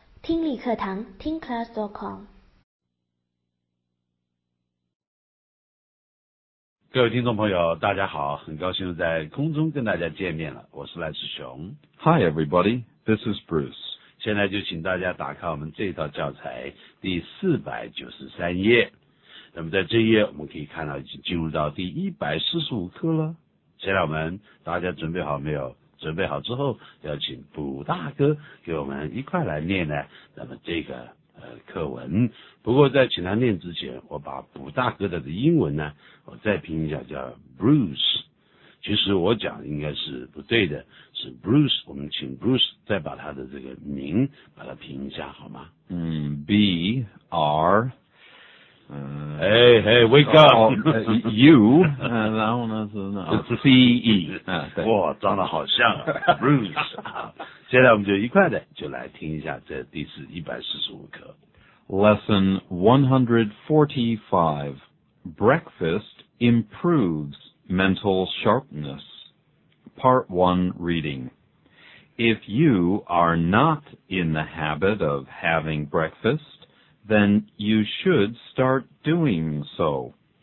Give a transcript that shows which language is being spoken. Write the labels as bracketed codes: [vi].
[zh] 听力课堂，听 class.com。各位听众朋友，大家好，很高兴在空中跟大家见面了。我是赖世雄。 [en] Hi everybody, this is Bruce. [zh] 现在就请大家打开我们这套教材第493页。那么在这页我们可以看到已经进入到第145课了。现在我们大家准备好没有？准备好之后要请卜大哥给我们一块来念呢那么这个课文。不过在请他念之前，我把卜大哥的英文呢我再拼一下，叫 Bruce。其实我讲应该是不对的，是 Bruce， 我们请 Bruce 再把他的这个名把它拼一下好吗？ B-R、 [en] Hey, wake up! [zh] U, 然后呢是那、 CE, 哇，长得好像啊，Bruce。现在我们就一块的就来听一下这第145课。 [en] Lesson 145, Breakfast Improves Mental Sharpness. Part 1 Reading. If you are not in the habit of having breakfast,then you should start doing so.